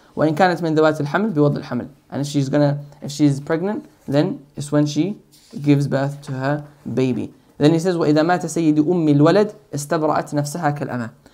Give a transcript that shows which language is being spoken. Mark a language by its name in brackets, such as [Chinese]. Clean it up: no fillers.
[Arabic] وإن كانت من ذوات الحمل بوضع الحمل. [English] And if she's pregnant, then it's when she gives birth to her baby. Then he says, [Arabic] وإذا مات سيد أم الولد استبرأت نفسها كالأمة.